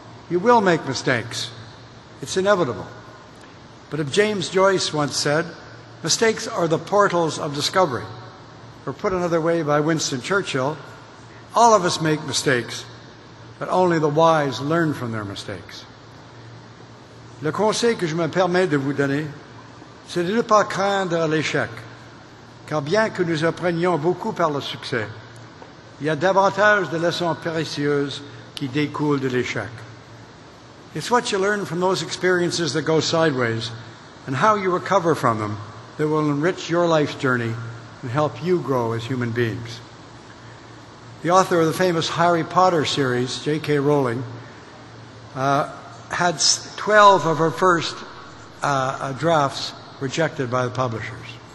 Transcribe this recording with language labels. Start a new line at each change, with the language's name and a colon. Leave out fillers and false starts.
English: You will make mistakes. It's inevitable. But as James Joyce once said, mistakes are the portals of discovery. Or put another way by Winston Churchill, all of us make mistakes, but only the wise learn from their mistakes.
French: Le conseil que je me permets de vous donner, c'est de ne pas craindre l'échec, car bien que nous apprenions beaucoup par le succès, il y a davantage de leçons précieuses qui découlent de l'échec.
English: It's what you learn from those experiences that go sideways and how you recover from them that will enrich your life's journey and help you grow as human beings. The author of the famous Harry Potter series, J.K. Rowling, had 12 of her first drafts rejected by the publishers.